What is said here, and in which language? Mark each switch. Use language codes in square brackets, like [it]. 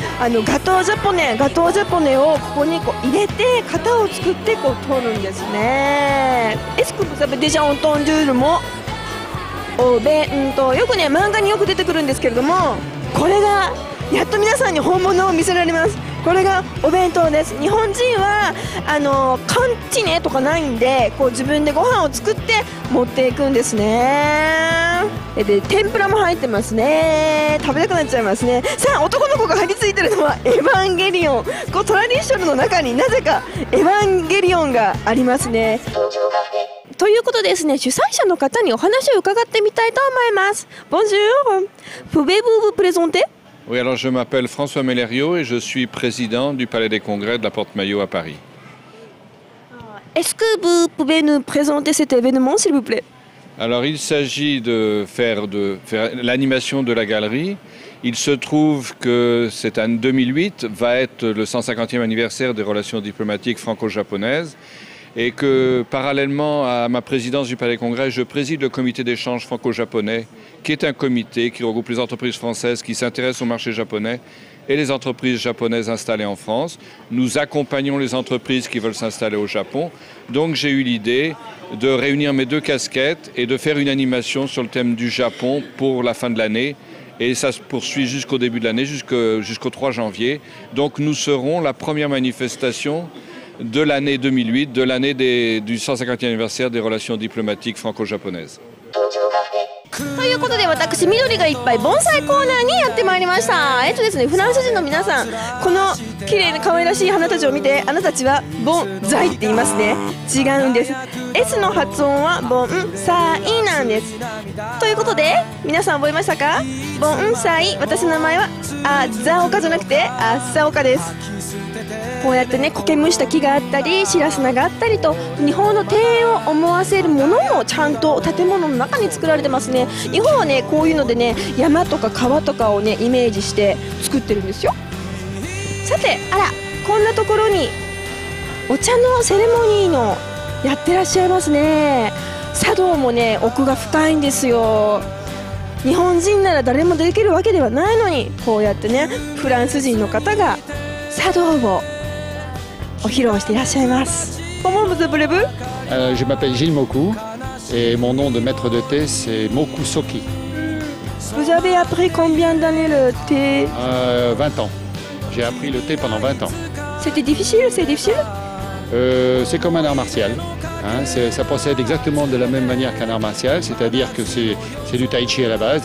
[ja] あの、ガトージャポネをここにこう入れて、型を作ってこう取るんですね。 [fr] Est-ce que vous avez déjà entendu le mot? [ja] お弁当、よくね漫画によく出てくるんですけれども、これがやっと皆さんに本物を見せられます。これがお弁当です。日本人はあのカンチネとかないんで、こう自分でご飯を作って持っていくんですね。で、天ぷらも入ってますね。食べたくなっちゃいますね。さあ、男の子が張り付いてるのはエヴァンゲリオン。こうトラディショナルの中になぜかエヴァンゲリオンがありますね。ということですね、主催者の方にお話を伺ってみたいと思います。 [fr] Bonjour! Pouvez-vous vous présenter? Oui, alors je m'appelle François Mellériot et je suis président du Palais des Congrès de la Porte Maillot à Paris. Est-ce que vous pouvez nous présenter cet événement, s'il vous plaît? Alors il s'agit de faire l'animation de la galerie. Il se trouve que cette année 2008 va être le 150e anniversaire des relations diplomatiques franco-japonaises. Et que parallèlement à ma présidence du Palais Congrès, je préside le comité d'échange franco-japonais, qui est un comité qui regroupe les entreprises françaises qui s'intéressent au marché japonais et les entreprises japonaises installées en France. Nous accompagnons les entreprises qui veulent s'installer au Japon. Donc j'ai eu l'idée de réunir mes deux casquettes et de faire une animation sur le thème du Japon pour la fin de l'année. Et ça se poursuit jusqu'au début de l'année, jusqu'au 3 janvier. Donc nous serons la première manifestation... de l'année 2008, de l'année du 150e anniversaire des relations diplomatiques franco-japonaises. [ja] ということで、私、緑がいっぱい盆栽コーナーにやってまいりました。ですね、フランス人の皆さん、この綺麗で可愛らしい花たちを見て、あなたたちは盆栽って言いますね。違うんです。 S の発音は盆栽なんです。ということで、皆さん覚えましたか？盆栽、私の名前はアザオカじゃなくてアサオカです。こうやってね、苔むした木があったり、シラスナがあったりと、日本の庭園を思わせるものもちゃんと建物の中に作られてますね。日本はね、こういうのでね、山とか川とかをね、イメージして作ってるんですよ。さて、あら、こんなところにお茶のセレモニーのやってらっしゃいますね。茶道もね、奥が深いんですよ。日本人なら誰もできるわけではないのに、こうやってね、フランス人の方が茶道をお披露していらっしゃいます。 [fr] Comment vous appelez-vous? Je m'appelle Gilles Moku et mon nom de maître de thé c'est Moku Soki. Vous avez appris combien d'années le thé? 20 ans. J'ai appris le thé pendant 20 ans. C'était difficile? C'est difficile? C'est comme un art martial. Hein, ça procède exactement de la même manière qu'un art martial, c'est-à-dire que c'est du tai chi à la base.